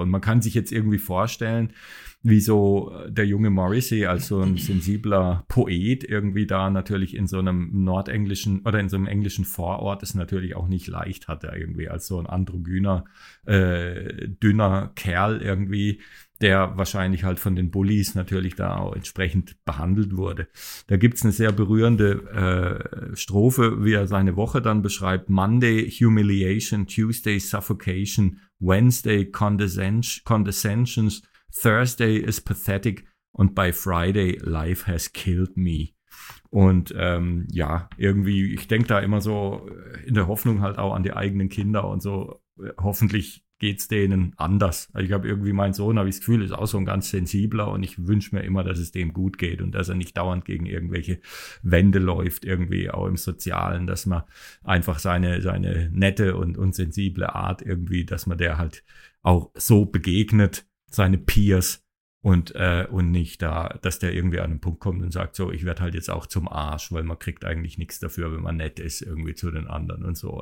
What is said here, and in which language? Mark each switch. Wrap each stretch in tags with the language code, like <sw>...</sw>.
<de>Und man kann sich jetzt irgendwie vorstellen, wie so der junge Morrissey als so ein sensibler Poet irgendwie da natürlich in so einem nordenglischen oder in so einem englischen Vorort es natürlich auch nicht leicht hat, er irgendwie als so ein androgyner, dünner Kerl irgendwie, der wahrscheinlich halt von den Bullies natürlich da auch entsprechend behandelt wurde. Da gibt's eine sehr berührende Strophe, wie er seine Woche dann beschreibt.</de> <en>Monday, humiliation. Tuesday, suffocation. Wednesday, condescensions. Thursday is pathetic. And by Friday, life has killed me.</en> <de>Und ja, irgendwie, ich denke da immer so in der Hoffnung halt auch an die eigenen Kinder und so, hoffentlich geht es denen anders. Ich habe irgendwie, mein Sohn, habe ich das Gefühl, ist auch so ein ganz sensibler, und ich wünsche mir immer, dass es dem gut geht und dass er nicht dauernd gegen irgendwelche Wände läuft, irgendwie auch im Sozialen, dass man einfach seine nette und sensible Art irgendwie, dass man der halt auch so begegnet, seine Peers, und nicht da, dass der irgendwie an einen Punkt kommt und sagt, so, ich werde halt jetzt auch zum Arsch, weil man kriegt eigentlich nichts dafür, wenn man nett ist irgendwie zu den anderen und so.</de>